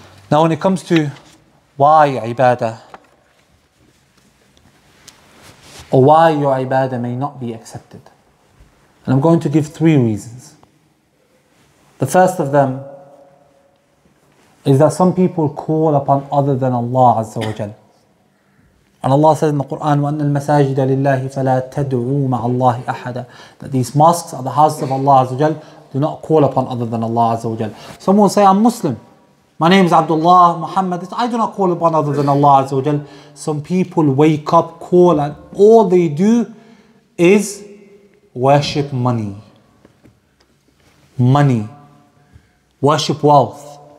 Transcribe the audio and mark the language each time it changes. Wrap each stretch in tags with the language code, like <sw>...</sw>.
<en>Now when it comes to why ibadah, or why your ibadah may not be accepted, and I'm going to give three reasons. The first of them is that some people call upon other than Allah Azza wa Jal. And Allah says in the Quran,</en> <ar>وَأَنَّ الْمَسَاجِدَ لِلَّهِ فَلَا تَدْعُوا مَعَ اللَّهِ أَحَدًا.</ar> <en>That these mosques are the houses of Allah Azza wa Jal, do not call upon other than Allah Azza wa Jal. Someone will say, I'm Muslim. My name is Abdullah Muhammad. I do not call upon other than Allah Azza wa Jal. Some people wake up, call, and all they do is worship money. Money. Worship wealth.</en>